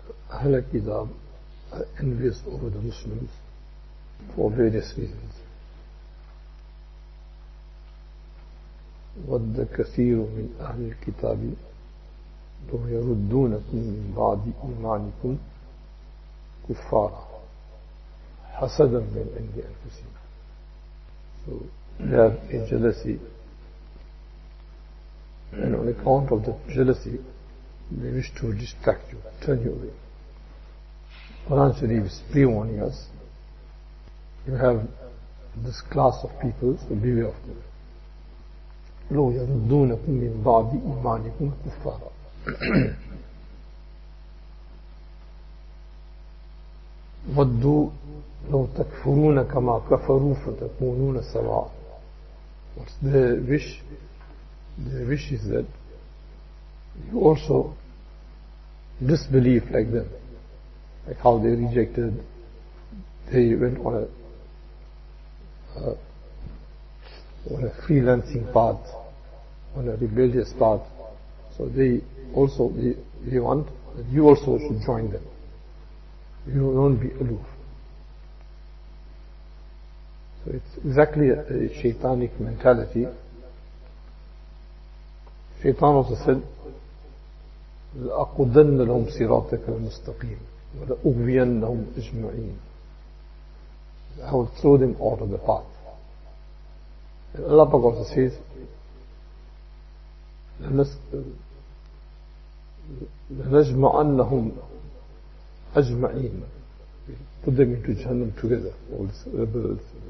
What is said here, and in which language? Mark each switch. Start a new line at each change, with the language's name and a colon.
Arabic: هلك إذا
English: invest over the Muslims for various reasons.
Arabic: ود كثير من أهل الكتاب لو يردونكم من بعد إيمانكم كفارا حسدا من عند أنفسهم.
English: So they have a jealousy, and on account of the jealousy they wish to distract you, turn you away. Quran Sharif is pre-warning us, you have this class of people, so beware of them.
Arabic: لو يردونكم من بعد إيمانكم كفارا. ودوا لو تكفرون كما كفروا فتكونون سواء.
English: What's their wish? Their wish is that you also disbelieve like them, like how they rejected, they went on a freelancing path, on a rebellious path. So they also, they want that you also should join them. You don't be aloof. So it's exactly a shaitanic mentality. Shaitan also said,
Arabic: لَأَقُدَنَّ لَهُمْ صِرَاطَكَ الْمُسْتَقِيمِ وَلَأُغْوِيَنَّ لَهُمْ أَجْمَعِينَ.
English: I will throw them out of the path. And Allah Pak also says,
Arabic: لَنَجْمَعَنَّهُمْ أَجْمَعِينَ.
English: Put them into Jahannam together, all these rebels.